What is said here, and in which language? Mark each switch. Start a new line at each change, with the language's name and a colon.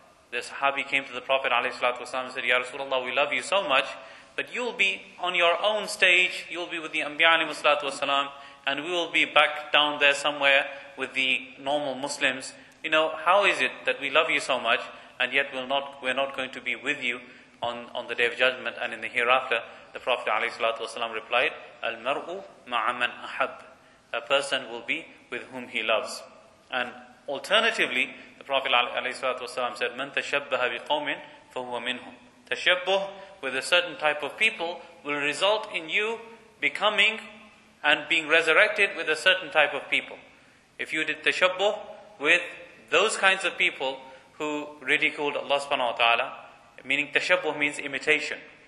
English: The Sahabi came to the Prophet ﷺ and said, Ya Rasulullah, we love you so much, but you'll be on your own stage, you'll be with the Anbiya ﷺ, and we will be back down there somewhere with the normal Muslims. You know, how is it that we love you so much, and yet we're not going to be with you on the Day of Judgment and in the hereafter? The Prophet ﷺ replied,
Arabic: Al-mar'u ma'a man ahab.
English: A person will be with whom he loves. And alternatively, the Prophet ﷺ said,
Arabic: مَن تَشَبَّهَ بِقَوْمٍ فَهُوَ مِنْهُمْ.
English: Tashabbuh with a certain type of people will result in you becoming and being resurrected with a certain type of people. If you did tashabbuh with those kinds of people who ridiculed Allah subhanahu wa ta'ala, meaning tashabbuh means imitation.